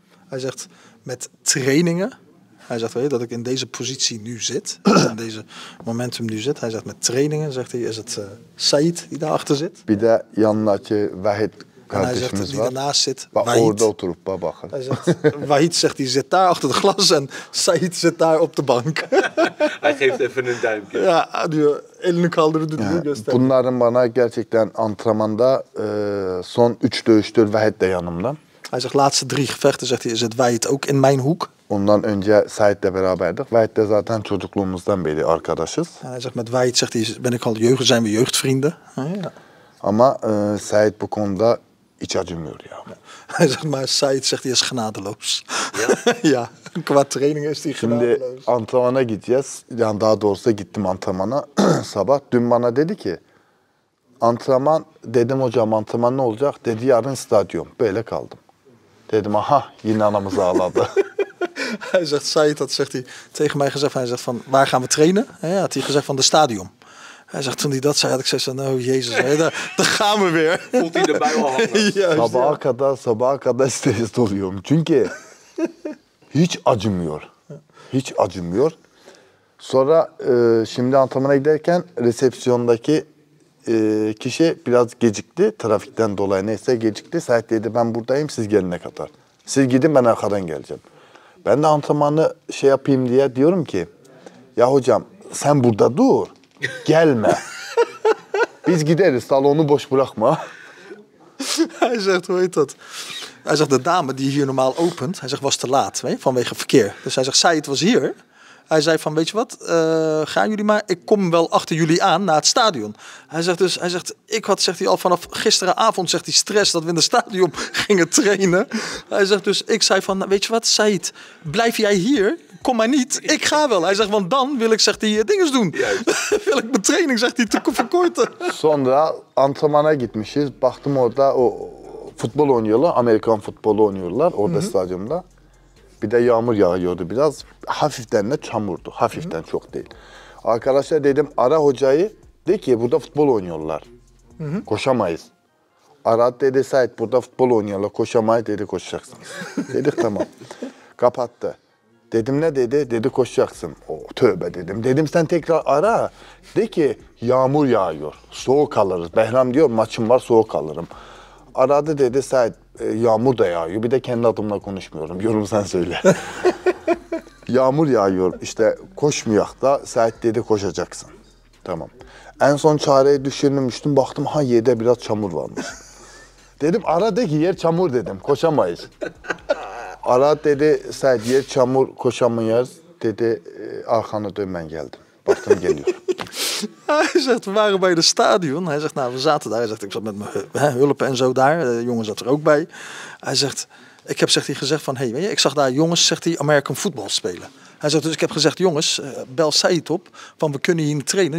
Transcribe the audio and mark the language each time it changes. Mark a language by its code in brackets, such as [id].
[nl] Hij zegt met trainingen. Hij zegt dat ik in deze positie nu zit, in deze momentum nu zit. Hij zegt met trainingen, zegt hij, is het Said die daarachter zit. [tr] Bir de yanındaki Vahid kardeşimiz var. [nl] En hij zegt, Die daarnaast zit, Vahid. [tr] Orada oturup bakın. [nl] Hij zegt, Vahid zegt, die zit daar achter de glas en Said zit daar op de bank. Hij geeft even een duimpje. [tr] Ja, diyor, elini kaldırdı, diyor, gösterdi. Bunların bana gerçekten antrenmanda son 3 dövüştür Vahid de yanımda. [nl] Hij zegt, laatste drie gevechten, zegt hij, is het Vahid ook in mijn hoek? [tr] Ondan önce Said'le beraberdik. Vahit de zaten çocukluğumuzdan beri arkadaşız. Yani [nl] zeg, met Vahit zegt hij, ben ik al jeugd, zijn we jeugdvrienden. [tr] Ama Said bu konuda hiç acımıyor ya. [nl] Hij zegt, maar Said zegt hij is genadeloos. Ja. Ja, qua training is hij genadeloos. [tr] Şimdi antrenmana gideceğiz. Yani daha doğrusu gittim antrenmana sabah. Dün bana dedi ki, antrenman, dedim hocam antrenman ne olacak? Dedi yarın stadyum. Böyle kaldım. Dedim aha, yine anamız ağladı. [nl] Hij zegt, Said, dat zegt hij tegen mij gezegd. Hij zegt van, waar gaan we trainen? Ja, had hij gezegd van de stadion. Hij zegt, toen hij dat zei, had ik gezegd, oh jezus, daar gaan we weer. Voelt hij erbij al handig. Juist, [tr] sabaha kadar stres doluyorum. Çünkü hiç acımıyor. Hiç acımıyor. Sonra şimdi antrenmana giderken resepsiyondaki kişi biraz gecikti. Trafikten dolayı neyse gecikti. Said dedi, ben buradayım, siz gelene kadar. Siz gidin, ben arkadan geleceğim. Ben de antrenmanı şey yapayım diye diyorum ki ya hocam sen burada dur gelme biz gideriz salonu boş bırakma. [nl] Hij zegt hoe heet dat? Hij zegt de dame die hier normaal opent, hij zegt was te laat, weet je, vanwege verkeer. Dus hij zegt zij het was hier. Hij zei van weet je wat, gaan jullie maar, ik kom wel achter jullie aan naar het stadion. Hij zegt ik had, zegt hij al vanaf gisteravond, zegt hij stress dat we in het stadion gingen trainen. Hij zegt dus, ik zei van weet je wat, Said, blijf jij hier, kom maar niet, ik ga wel. Hij zegt want dan wil ik, zegt hij, dinges doen. Wil ik mijn training, zegt hij, te verkorten. [tr] Sonra antrenmana gitmişiz, baktım orada o futbol oynuyorlar, Amerikan futbolu oynuyorlar orada stadyumda. Bir de yağmur yağıyordu biraz. Hafiften de çamurdu. Hafiften çok değil. Arkadaşlar dedim ara hocayı. De ki burada futbol oynuyorlar. Koşamayız. Ara dedi Said burada futbol oynuyorlar. Koşamayız dedi koşacaksınız. Dedik tamam. Kapattı. Dedim ne dedi? Dedi koşacaksın. Oh, tövbe dedim. Dedim sen tekrar ara. De ki yağmur yağıyor. Soğuk alırız. Behram diyor maçım var soğuk alırım. Aradı dedi Said. Yağmur da yağıyor. Bir de kendi adımla konuşmuyorum. Yorum sen söyle. Yağmur yağıyor. İşte koşmayak da Said dedi koşacaksın. Tamam. En son çareyi düşünmüştüm, baktım ha yerde biraz çamur varmış. Dedim ara de ki yer çamur dedim, koşamayız. Ara dedi, sen yer çamur koşamayız. Dedi, arkanı dön ben geldim. Baktım geliyor. [nl] Hij zegt, we waren bij de stadion. Hij zegt, nou, we zaten daar. Hij zegt, ik zat met mijn hulp en zo daar. De jongen zat er ook bij. Hij zegt, ik heb zegt hij, gezegd van, hey, weet je, ik zag daar jongens, zegt hij, American football spelen. Hij zegt, dus ik heb gezegd, jongens, bel zij het op. Van, we kunnen hier niet trainen.